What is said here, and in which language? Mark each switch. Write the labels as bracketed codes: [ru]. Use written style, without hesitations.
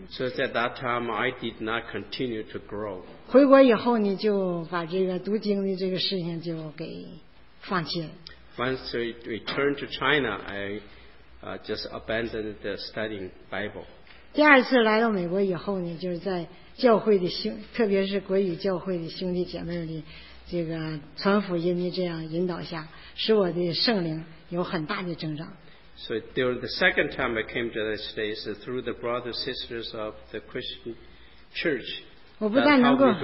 [en] So at that time, I did not continue to grow. [zh] 回国以后呢，就把这个读经的这个事情就给放弃了。 [en] Once I returned to China, I just abandoned the studying Bible. [zh] 第二次来到美国以后呢，就是在教会的兄，特别是国语教会的兄弟姐妹的这个传福音的这样引导下，使我的圣灵有很大的增长。 [en] So during the second time I came to the States, through the brothers and sisters of the Christian Church.